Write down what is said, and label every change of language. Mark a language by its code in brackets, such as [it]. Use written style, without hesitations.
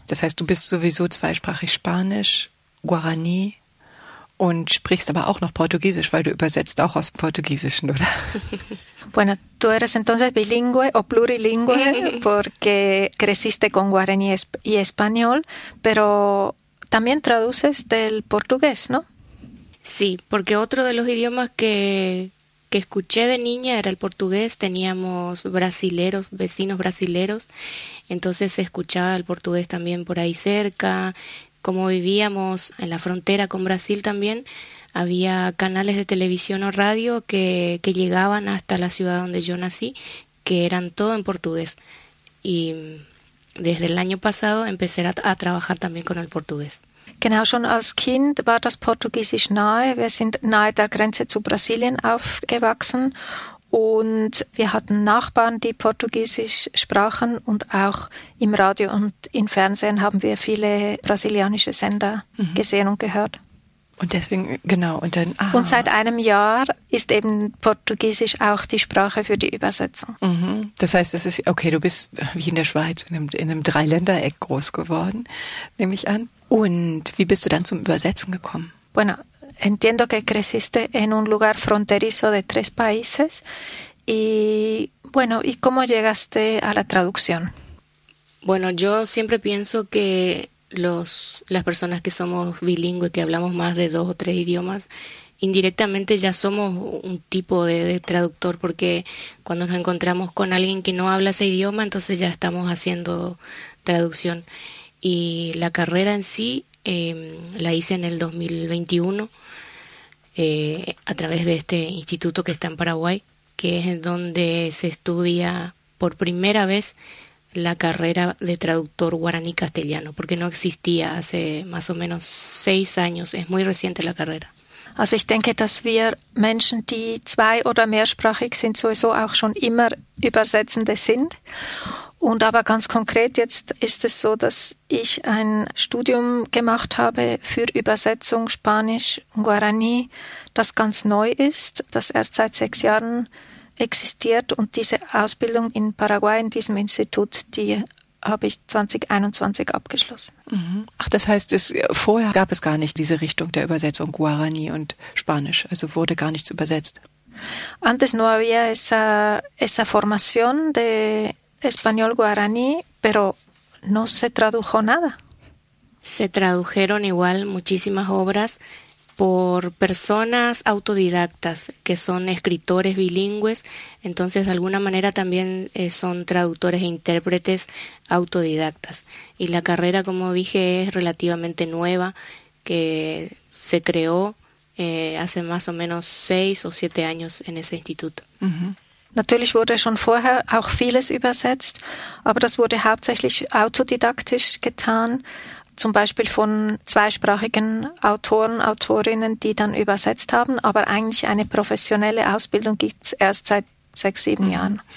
[de] Das heißt, du bist sowieso zweisprachig Spanisch, Guarani und sprichst aber auch noch Portugiesisch, weil du übersetzt auch aus Portugiesischen, oder? [es] Bueno, tú eres entonces bilingüe o plurilingüe porque creciste con guaraní y español, pero también traduces del portugués, ¿no? Sí, porque otro de los idiomas que escuché de niña era el portugués. Teníamos brasileros, vecinos brasileros, entonces se escuchaba el portugués también por ahí cerca. Como vivíamos en la frontera con Brasil también, había canales de televisión o radio que llegaban hasta la ciudad donde yo nací, que eran todo en portugués. Y desde el año pasado empecé a trabajar también con el portugués. [de] Genau, schon als Kind war das Portugiesisch nahe. Wir sind nahe der Grenze zu Brasilien aufgewachsen und wir hatten Nachbarn, die Portugiesisch sprachen und auch im Radio und im Fernsehen haben wir viele brasilianische Sender gesehen und gehört. Und deswegen, genau, und dann. Aha. Und seit einem Jahr ist eben Portugiesisch auch die Sprache für die Übersetzung. Das heißt, es ist, okay, du bist wie in der Schweiz in einem Dreiländereck groß geworden, nehme ich an. Und wie bist du dann zum Übersetzen gekommen? [es] Bueno, entiendo que creciste en un lugar fronterizo de 3 países. Y bueno, ¿y cómo llegaste a la traducción? Bueno, yo siempre pienso que las personas que somos bilingües, que hablamos más de 2 o 3 idiomas, indirectamente ya somos un tipo de traductor, porque cuando nos encontramos con alguien que no habla ese idioma, entonces ya estamos haciendo traducción. Y la carrera en sí la hice en el 2021 a través de este instituto que está en Paraguay, que es donde se estudia por primera vez la carrera de traductor guaraní castellano, porque no existía hace más o menos 6 años, es muy reciente la carrera. [de] Also ich denke, dass wir Menschen, die 2 oder mehrsprachig sind, sowieso auch schon immer Übersetzende sind. Und aber ganz konkret jetzt ist es so, dass ich ein Studium gemacht habe für Übersetzung Spanisch und Guarani, das ganz neu ist, das erst seit 6 Jahren existiert. Und diese Ausbildung in Paraguay in diesem Institut, die habe ich 2021 abgeschlossen. Ach, das heißt, vorher gab es gar nicht diese Richtung der Übersetzung Guarani und Spanisch, also wurde gar nichts übersetzt. [es] Antes no había esa formación de español guaraní, pero no se tradujo nada. Se tradujeron igual muchísimas obras por personas autodidactas, que son escritores bilingües, entonces de alguna manera también son traductores e intérpretes autodidactas. Y la carrera, como dije, es relativamente nueva, que se creó hace más o menos 6 o 7 años en ese instituto. [de] Natürlich wurde schon vorher auch vieles übersetzt, aber das wurde hauptsächlich autodidaktisch getan, zum Beispiel von zweisprachigen Autoren, Autorinnen, die dann übersetzt haben. Aber eigentlich eine professionelle Ausbildung gibt es erst seit 6, 7 Jahren.